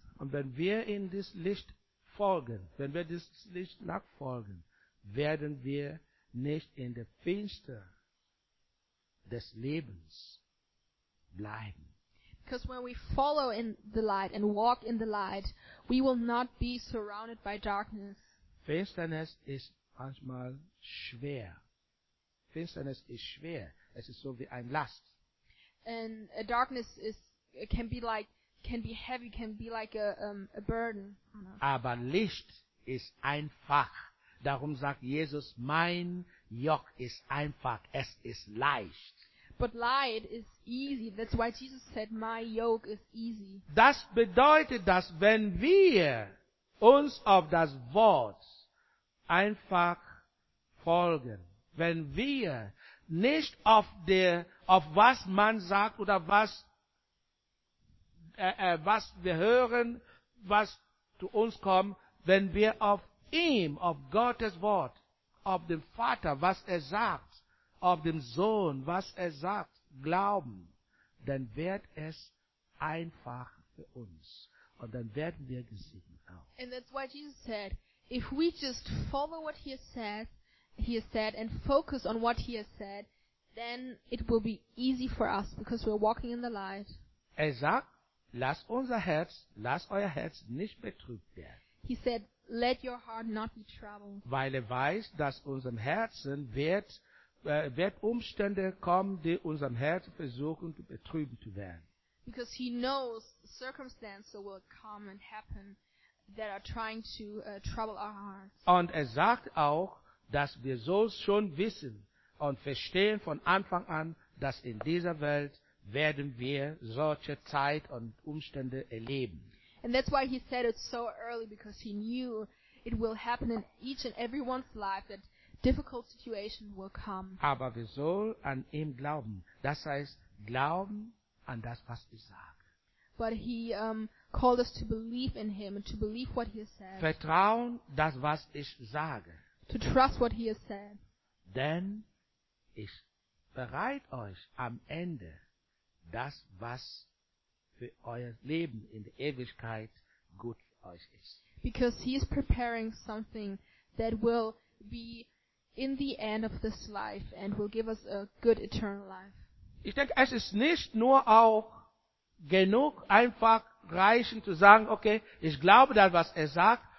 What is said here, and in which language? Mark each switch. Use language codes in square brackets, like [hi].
[de] Und wenn wir in dieses Licht folgen, wenn wir dieses Licht nachfolgen, werden wir nicht in der Finster des Lebens bleiben. [en] Because when we follow in the light and walk in the light, we will not be surrounded by darkness. [de] Finsternis ist manchmal schwer. Finsternis ist schwer. Es ist so wie ein Last. [en] And a darkness can be heavy, can be like a burden. [de] Aber Licht ist einfach. Darum sagt Jesus, mein Joch ist einfach, es ist leicht. [en] But light is easy. That's why Jesus said, my yoke is easy. [de] Das bedeutet, dass wenn wir uns auf das Wort einfach folgen. Wenn wir nicht auf was man sagt oder was wir hören, was zu uns kommt, wenn wir auf ihm, auf Gottes Wort, auf dem Vater, was er sagt, auf dem Sohn, was er sagt, glauben, dann wird es einfach für uns. Und dann werden wir gesegnet auch. [en] And that's why Jesus said, if we just follow what he has said and focus on what he has said, then it will be easy for us because we're walking in the light. [de] Er sagt, lass euer Herz nicht betrübt werden. [en] He said, let your heart not be troubled. [de] Weil er weiß, dass unserem Herzen wird Umstände kommen, die unserem Herzen versuchen zu betrüben zu werden. [en] Because he knows circumstances will come and happen that are trying to trouble our hearts. [de] Und er sagt auch, dass wir so schon wissen und verstehen von Anfang an, dass in dieser Welt werden wir solche Zeit und Umstände erleben. [en] And that's why he said it so early, because he knew it will happen in each and everyone's life that difficult situation will come. [de] Aber wir sollen an ihm glauben. Das heißt, glauben an das, was ich sage. [en] But he called us to believe in him and to believe what he has said. [de] Vertrauen das, was ich sage. [en] To trust what he has said. [de] Denn ich bereite euch am Ende das, was für euer Leben in der Ewigkeit gut für euch ist. [en] Because he is preparing something that will be in the end of this life and will give us a good eternal life. [de] Ich denke, es ist nicht nur auch genug, einfach reichen zu sagen, okay, ich glaube das, was er sagt.